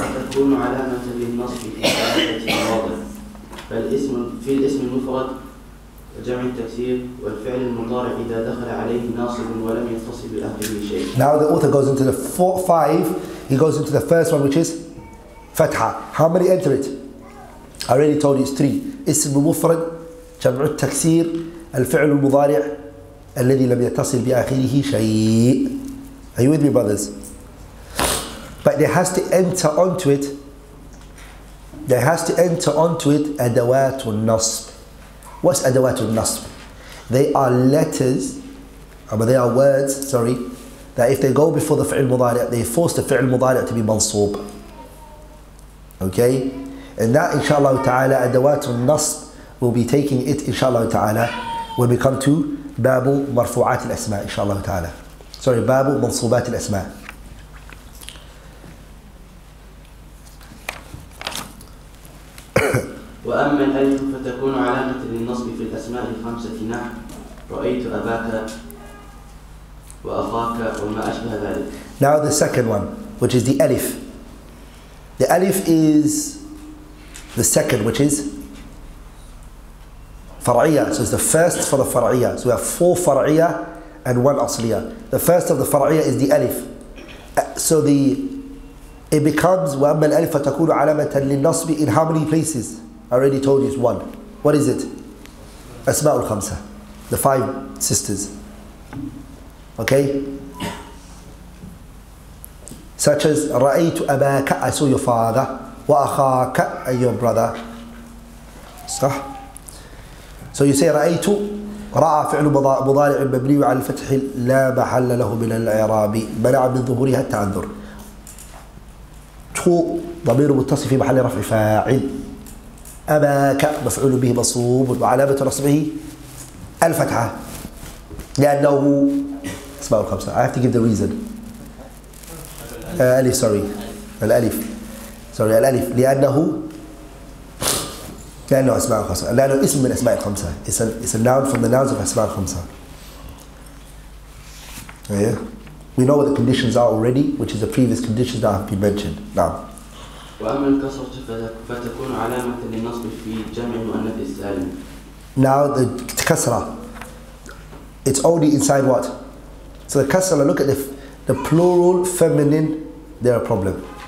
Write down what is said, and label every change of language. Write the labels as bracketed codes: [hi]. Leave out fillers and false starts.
[ar] تكون علامة للنصب في ثلاثة مواضع: فالاسم في الاسم المفرد جمع التكسير والفعل المضارع إذا دخل عليه ناصب ولم يتصل بآخره شيء. [en] Now the author goes into the four, five. He goes into the first one, which is فتحة. How many enter it? I already told you it's three. [ar] اسم مفرد جمع التكسير الفعل المضارع الذي لم يتصل بآخره شيء. [en] Are you with me, brothers? But there has to enter onto it. There has to enter onto it adawat al-nasb. What's adawat al-nasb? They are letters, but they are words, sorry, that if they go before the fi'l mudari', they force the fi'l mudari' to be mansub. Okay? And that, inshallah ta'ala, adawat al-nasb, will be taking it, inshallah ta'ala, when we come to babu marfu'at al-asma, inshallah ta'ala. Sorry, babu mansubat al-asma. [ar] وأما الألف فتكون علامة للنصب في الأسماء الخمسة نحو رأيت أباك وأخاك وما أشبه ذلك. [en] Now the second one, which is the alif. The alif is the second, which is far'iyah. So it's the first for the far'iyah. So we have four far'iyah and one asliyah. The first of the far'iyah is the alif. So the it becomes [ar] وَأَمَّا الْأَلِفَ تَكُونُ عَلَمَةً لِلنَّصْبِ [en] in how many places? I already told you, it's one. What is it? [ar] أَسْمَاءُ الْخَمْسَةِ [en] The five sisters. Okay? Such as [ar] رَأَيْتُ أَبَاكَ [en] I saw your father [ar] وَأَخَاكَ [en] and your brother. [ar] صح؟ [en] So you say [ar] رَأَيْتُ رَأَى فِعْلُ مُضَارِعٍ مَبْنِيٌ عَلَى الْفَتْحِ لَا مَحَلَّ لَهُ مِنَ الْإِعْرَابِ مَنَعَ مِنْ ظُهُورِهَا التَّعَذُّرِ ضمير متصل في محل رفع فاعل أباك مفعول به مصوب وعلامة نصبه الفتحة لأنه اسماء الخمسة [en] I have to give the reason [ar] ألف sorry الألف sorry الألف لأنه اسماء الخمسة لأنه اسم من اسماء الخمسة [en] it's a noun from the nouns of [ar] اسماء الخمسة yeah. [en] We know what the conditions are already which is the previous conditions that have been mentioned now Now the kasra, it's only inside what? So the kasra, look at the plural feminine, they're a problem.